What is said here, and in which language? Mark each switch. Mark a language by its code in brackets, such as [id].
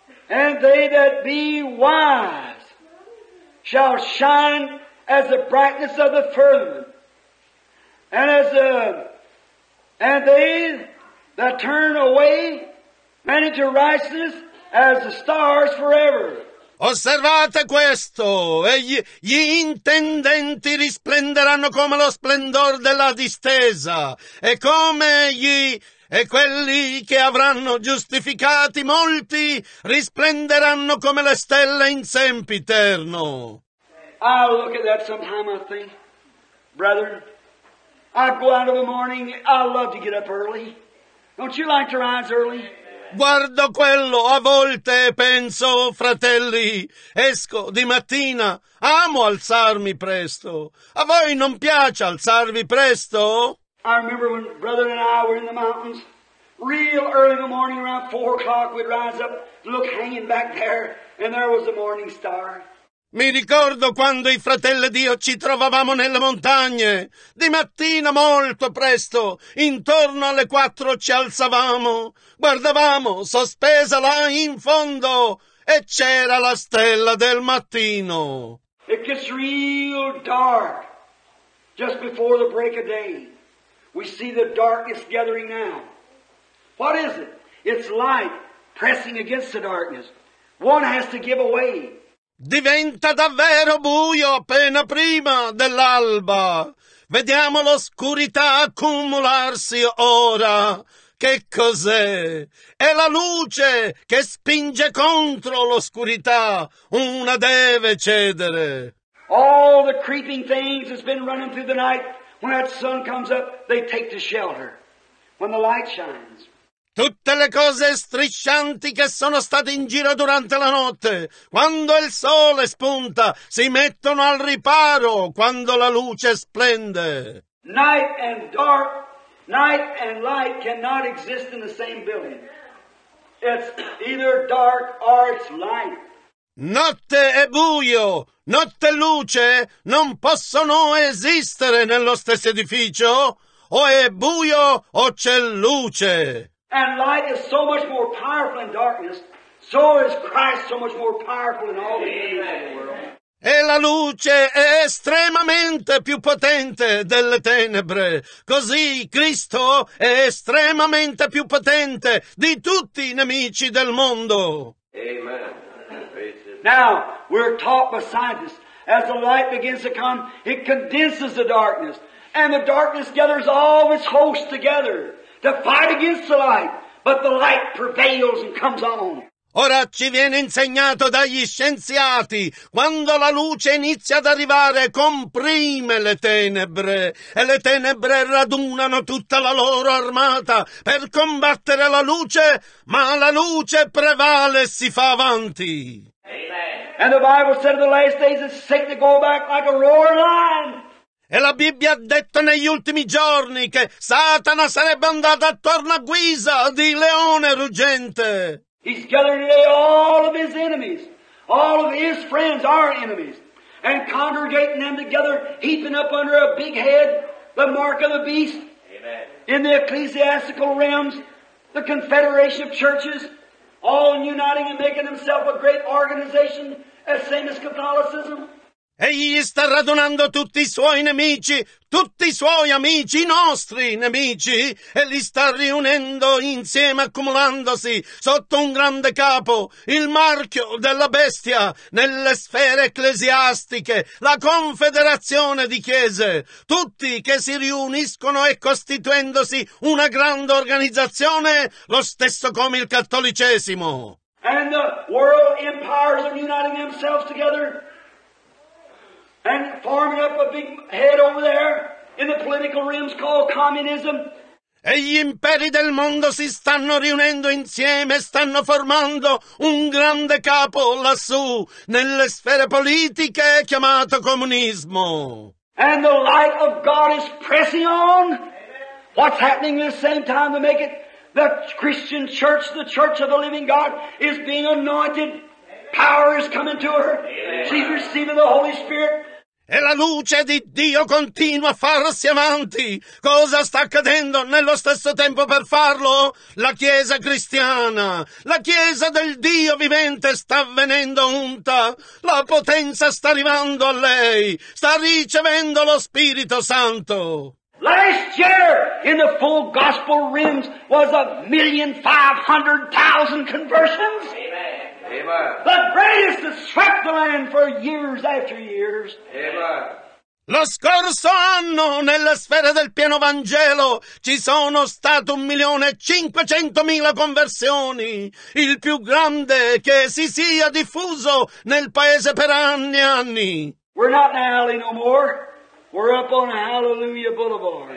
[en] And they that be wise shall shine as the brightness of the firmament. And they that turn away many to righteousness as the stars forever. [it] Osservate questo, e gli intendenti risplenderanno come lo splendor della distesa, e quelli che avranno giustificati molti risplenderanno come le stelle in sempiterno. [en] I look at that sometime, I think, brethren, I go out of the morning, I love to get up early. Don't you like to rise early? [it] Guardo quello a volte e penso, fratelli, esco di mattina, amo alzarmi presto. A voi non piace alzarvi presto? [en] I remember when brother and I were in the mountains, real early in the morning, around 4 o'clock, we'd rise up, look hanging back there, and there was the morning star. [it] Mi ricordo quando i fratelli Dio ci trovavamo nelle montagne, di mattina molto presto, intorno alle 4 ci alzavamo, guardavamo sospesa là in fondo e c'era la stella del mattino. [en] It gets real dark just before the break of day. We see the darkness gathering now. What is it? It's light pressing against the darkness. One has to give away. [it] Diventa davvero buio appena prima dell'alba. Vediamo l'oscurità accumularsi ora. Che cos'è? È la luce che spinge contro l'oscurità. Una deve cedere. [en] All the creeping things that's been running through the night, when that sun comes up, they take to shelter. When the light shines. [it] Tutte le cose striscianti che sono state in giro durante la notte, quando il sole spunta, si mettono al riparo quando la luce splende. [en] Night and dark, night and light cannot exist in the same building. It's either dark or it's light. [it] Notte e buio, notte e luce non possono esistere nello stesso edificio. O è buio o c'è luce. [en] And light is so much more powerful in darkness, so is Christ so much more powerful in all the enemies of the world. [it] E la luce è estremamente più potente delle tenebre. Così Cristo è estremamente più potente di tutti i nemici del mondo. Amen. [en] Now, we're taught by scientists, as the light begins to come, it condenses the darkness. And the darkness gathers all its hosts together to fight against the light. But the light prevails and comes on. [it] Ora ci viene insegnato dagli scienziati, quando la luce inizia ad arrivare, comprime le tenebre, e le tenebre radunano tutta la loro armata per combattere la luce, ma la luce prevale e si fa avanti. Amen. [en] And the Bible said in the last days that Satan will go back like a roaring lion. [it] E la Bibbia ha detto negli ultimi giorni che Satana sarebbe andato attorno a guisa di leone ruggente. [en] He's gathered today all of his enemies, all of his friends, our enemies, and congregating them together, heaping up under a big head, the mark of the beast. Amen. In the ecclesiastical realms, the confederation of churches, all uniting and making himself a great organization, as same as Catholicism. [it] Egli sta radunando tutti i suoi nemici, tutti i suoi amici, i nostri nemici, e li sta riunendo insieme, accumulandosi sotto un grande capo, il marchio della bestia, nelle sfere ecclesiastiche, la confederazione di chiese, tutti che si riuniscono e costituendosi una grande organizzazione, lo stesso come il cattolicesimo. [en] And the world empires are uniting themselves together. And forming up a big head over there in the political realms called communism. [it] E gli imperi del mondo si stanno riunendo insieme, stanno formando un grande capo lassù, nelle sfere politiche chiamato comunismo. [en] And the light of God is pressing on. What's happening at the same time to make it? The Christian church, the church of the living God, is being anointed. Power is coming to her. She's receiving the Holy Spirit. [it] E la luce di Dio continua a farsi avanti. Cosa sta accadendo nello stesso tempo per farlo? La Chiesa cristiana, la Chiesa del Dio vivente sta venendo unta. La potenza sta arrivando a lei. Sta ricevendo lo Spirito Santo. [en] Last year, in the full gospel realms, was 1,500,000 conversions. Amen. Amen. The greatest that swept the land for years after years. Amen. [it] Lo scorso anno, nella sfera del pieno Vangelo, ci sono state 1,500,000 conversioni, il più grande che si sia diffuso nel paese per anni e anni. [en] We're not in alley no more. We're up on Hallelujah Boulevard.